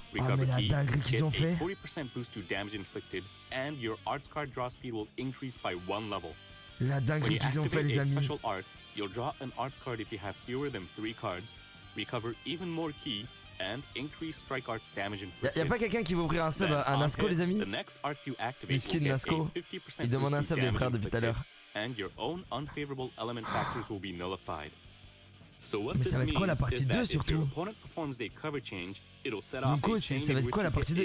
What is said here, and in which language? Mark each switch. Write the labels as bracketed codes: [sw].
[fr] Ah mais la dinguerie qu'ils ont fait. [en] 40% boost to damage inflicted and your arts card draw speed will increase by one level. [fr] La dinguerie qu'ils ont fait les amis. [en] Special arts, you'll draw an arts card if you have fewer than 3 cards, recover even more ki and increase strike arts damage inflicted. [fr] Y a pas quelqu'un qui veut ouvrir un sub à Nasco les amis? [en] The next arts you activate skin [fr] Nasco. Il demande un sub les frères depuis tout à l'heure. [en] And your own unfavorable element factors will be nullified. So what [fr] mais ça va être quoi la partie 2 surtout? Du coup, ça va être quoi la partie 2?